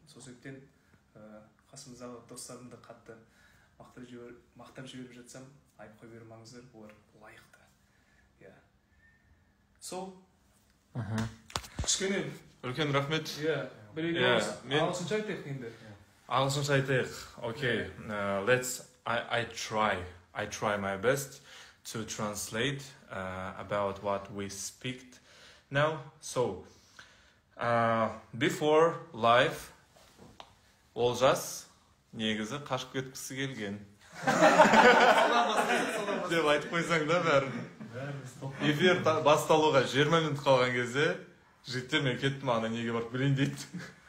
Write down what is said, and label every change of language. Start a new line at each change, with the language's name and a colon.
Kazakh: Сол себептен қасымыздағы достарымды қатты мақтап жіберіп жатсам, айтып қоя бермеңіздер, олар лайықты. Иә. Сол. Кішкене үлкен рахмет. Иә, бірегеміз. Ағылшынша айтайық енді. Ағылшынша айтайық. Окей,
English: let's... I try my best to translate about what we speak now. So, before life,
Kazakh: Олжас негізі қашып кеткісі келген. Деп айтып қойсаң да бәрін. Эфир басталуға 20 минут қалған кезде, жігіттер мен кеттім ана неге барып білейін дейді.